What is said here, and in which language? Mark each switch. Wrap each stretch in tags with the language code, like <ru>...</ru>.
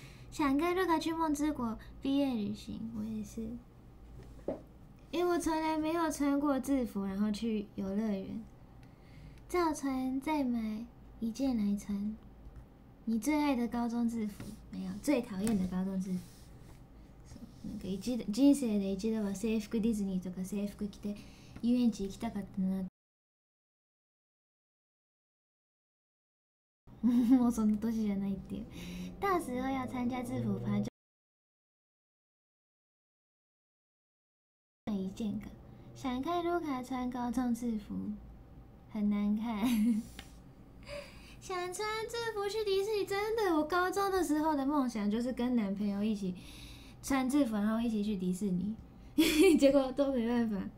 <zh>想跟瑞卡去梦之国毕业旅行，我也是。因为我从来没有穿过制服，然后去游乐园，照穿再买一件来穿。你最爱的高中制服没有？最讨厌的高中制服？</zh> <ja>那个人生で一度は制服ディズニーとか制服着て遊園地行きたかったな。もうその年じゃないっていう。</ja> <zh>到时候要参加制服趴就。一件个，想看卢卡穿高中制服，很难看。想穿制服去迪士尼，真的，我高中的时候的梦想就是跟男朋友一起穿制服，然后一起去迪士尼，结果都没办法。</zh>